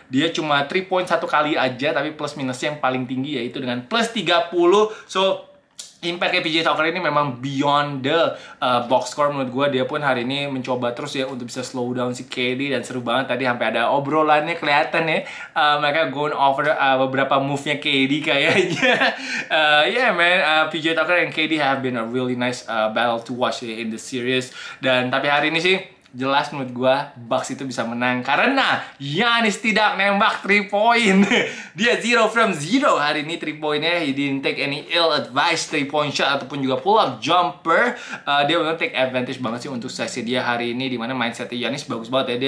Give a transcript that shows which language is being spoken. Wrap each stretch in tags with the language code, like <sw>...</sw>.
<id>Dia cuma 3 point 1 kali aja, tapi plus minusnya yang paling tinggi yaitu dengan plus 30. So impact-nya PJ Tucker ini memang</id> <en>beyond the box score</en> <id>menurut gue. Dia pun hari ini mencoba terus ya untuk bisa slow down si KD, dan seru banget tadi sampai ada obrolannya kelihatan ya. Mereka going over beberapa move-nya KD kayaknya.</id> <en>Yeah man, PJ Tucker and KD have been a really nice battle to watch in the series.</en> <id>Dan tapi hari ini sih jelas menurut gue Bucks itu bisa menang karena Giannis tidak nembak 3 point. Dia 0 from 0 hari ini 3 pointnya.</id> <en>He didn't take any ill advice 3 point shot ataupun juga pull up jumper.</en> <id>Dia benar take advantage banget sih untuk sesi dia hari ini, dimana mindset Giannis bagus banget ya.</id>